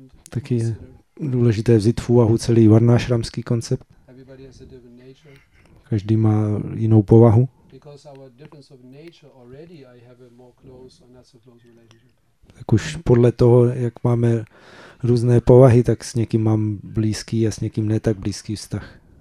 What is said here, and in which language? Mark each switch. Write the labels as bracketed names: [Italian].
[Czech] Taky je důležité vzít v úvahu celý varnášramský koncept. [English] Everybody has a different nature. [Czech] Každý má jinou povahu. [English] Because our difference of nature already I have a more close or not so close relationship. [Czech] Tak už podle toho, jak máme různé povahy, tak s někým mám blízký a s někým ne tak blízký vztah.